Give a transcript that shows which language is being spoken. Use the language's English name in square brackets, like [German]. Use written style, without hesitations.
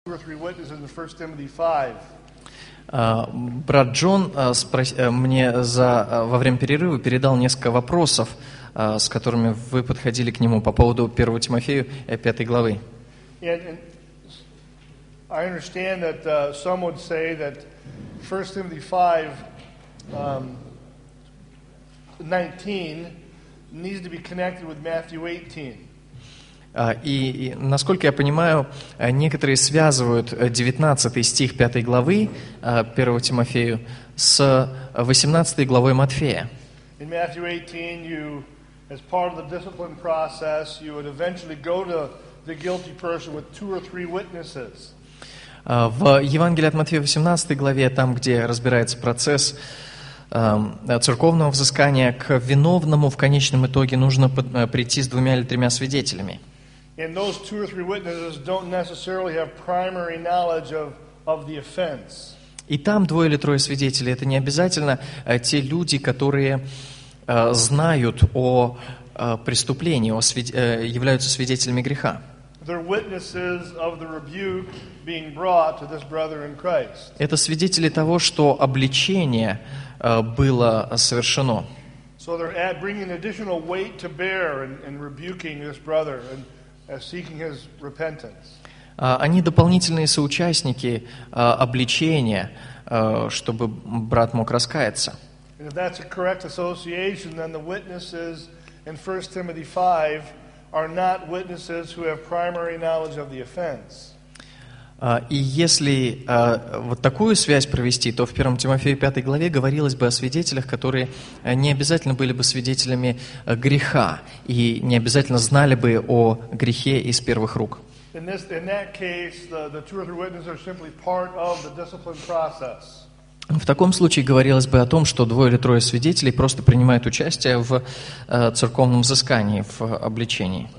[English] Two or three witnesses in the first Timothy 5. [Russian] Брат Джон мне во время перерыва передал несколько вопросов, с которыми вы подходили к нему по поводу 1 Тимофею 5 главы. [English] And I understand that some would say that 1 Timothy 5:19 needs to be connected with Matthew 18. [Russian] И, насколько я понимаю, некоторые связывают 19 стих 5 главы 1 Тимофею с 18 главой Матфея. [English] In Matthew 18, you, as part of the discipline process, you would eventually go to the guilty person with two or three witnesses. [Russian] В Евангелии от Матфея 18 главе, там, где разбирается процесс церковного взыскания, к виновному в конечном итоге нужно прийти с двумя или тремя свидетелями. [English] And those two or three witnesses don't necessarily have primary knowledge of the offense. [Russian] И там двое или трое свидетелей — это не обязательно те люди, которые знают о преступлении, являются свидетелями греха. [English] They're witnesses of the rebuke being brought to this brother in Christ. [Russian] Это свидетели того, что обличение было совершено. [English] So they're bringing additional weight to bear in rebuking this brother and seeking his repentance. [Russian] Они дополнительные соучастники обличения, чтобы брат мог раскаяться. [English] And if that's a correct association, then the witnesses in 1 Timothy 5 are not witnesses who have primary knowledge of the offense. [Russian] И если вот такую связь провести, то в 1 Тимофею 5 главе говорилось бы о свидетелях, которые не обязательно были бы свидетелями греха и не обязательно знали бы о грехе из первых рук. В таком случае говорилось бы о том, что двое или трое свидетелей просто принимают участие в церковном взыскании, в обличении.